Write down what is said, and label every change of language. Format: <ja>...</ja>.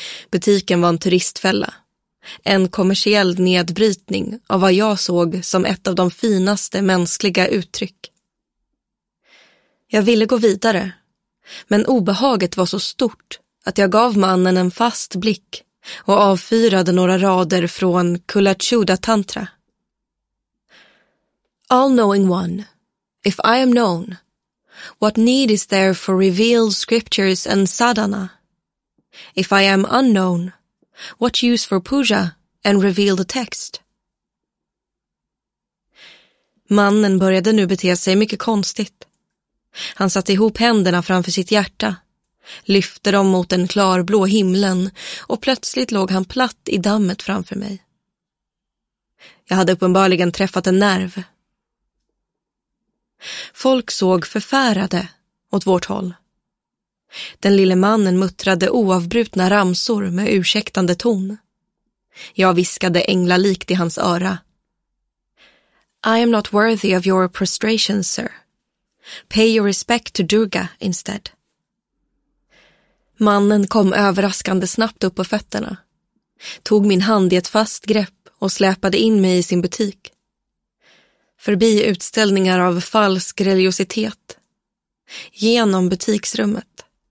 <sv>Butiken var en turistfälla. En kommersiell nedbrytning av vad jag såg som ett av de finaste mänskliga uttryck. Jag ville gå vidare, men obehaget var så stort att jag gav mannen en fast blick och avfyrade några rader från Kulachuda Tantra.</sv> <en>All-knowing one, if I am known, what need is there for revealed scriptures and sadhana? If I am unknown, what use for puja and reveal the text?</en> <sv>Mannen började nu bete sig mycket konstigt. Han satte ihop händerna framför sitt hjärta, lyfte dem mot den klarblå himlen och plötsligt låg han platt i dammet framför mig. Jag hade uppenbarligen träffat en nerv. Folk såg förfärade åt vårt håll. Den lille mannen muttrade oavbrutna ramsor med ursäktande ton. Jag viskade änglalikt i hans öra.</sv> <en>I am not worthy of your prostration, sir. Pay your respect to Durga instead.</en> <sv>Mannen kom överraskande snabbt upp på fötterna. Tog min hand i ett fast grepp och släpade in mig i sin butik. Förbi utställningar av falsk religiositet. Genom butiksrummet.</sv>